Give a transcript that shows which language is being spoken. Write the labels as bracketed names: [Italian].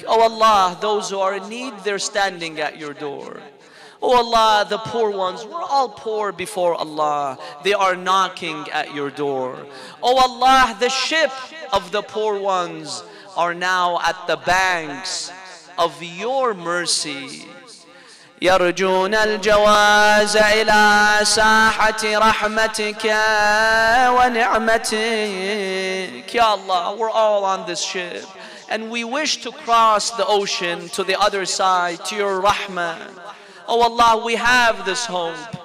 [English] Oh Allah, those who are in need, they're standing at your door. Oh Allah, the poor ones, we're all poor before Allah. They are knocking at your door. Oh Allah, the ship of the poor ones are now at the banks of your mercy. [Arabic] يرجون الجواز إلى ساحة رحمتك ونعمتك. [English] Ya Allah, we're all on this ship and we wish to cross the ocean to the other side, to your rahmah. Oh Allah, we have this hope.